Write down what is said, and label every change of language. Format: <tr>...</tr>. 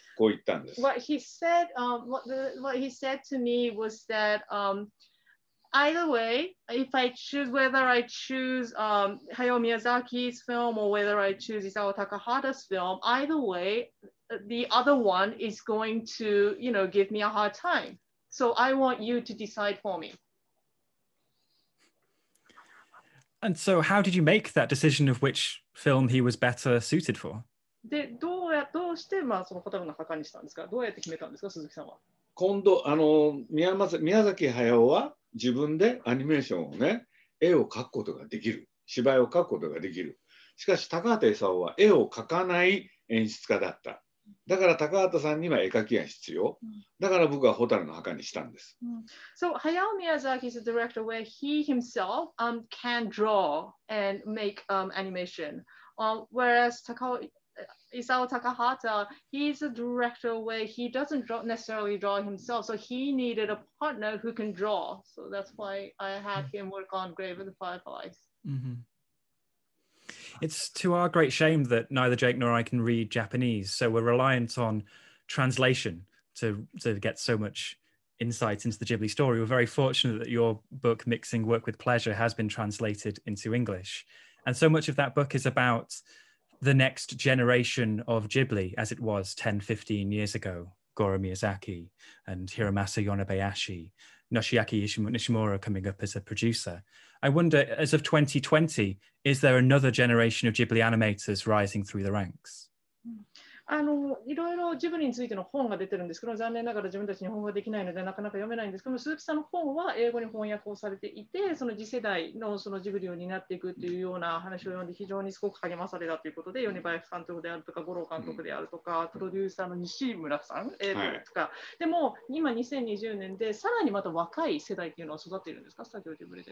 <ja>こう言ったんです。</ja> <en>What he said, what he said to me was that, either way, if I choose whether I choose Hayao Miyazaki's film or whether I choose Isao Takahata's film, either way. The other one is going to, you know, give me a hard time. So I want you to decide for me. And so how did you make that decision of which film he was better suited for?</en> <ja>で、どうして、まあ、その蛍の墓にしたんですか？どうやって決めたんですか、鈴木さんは？今度、あの、宮崎駿は自分でアニメーションをね、絵を描くことができる。芝居を描くことができる。しかし、高畑勲は絵を描かない演出家だった。だから高畑さんには絵描きが必要。だから僕は蛍の墓にしたんです。</ja> <en>So Hayao Miyazaki is a director where he himself can draw and make animation. Whereas Isao Takahata, he's a director where he doesn't necessarily draw himself. So he needed a partner who can draw. So that's why I had him work on Grave of the Fireflies. Mm-hmm. It's to our great shame that neither Jake nor I can read Japanese, so we're reliant on translation to get so much insight into the Ghibli story. We're very fortunate that your book, Mixing Work with Pleasure, has been translated into English. And so much of that book is about the next generation of Ghibli, as it was 10, 15 years ago. Gorō Miyazaki and Hiromasa Yonebayashi, Noshiaki Nishimura coming up as a producer. I wonder, as of 2020, is there another generation of Ghibli animators rising through the ranks?</en> <ja>あのいろいろジブリについての本が出てるんですけど、残念ながら自分たち日本語ができないのでなかなか読めないんですけど、鈴木さんの本は英語に翻訳をされていて、その次世代 の, そのジブリを担っていくというような話を読んで非常にすごく励まされたということで、米林監督であるとか五郎監督であるとか、プロデューサーの西村さん、とか、はい、でも今2020年でさらにまた若い世代というのは育っているんですか、スタジオジブリで。</ja>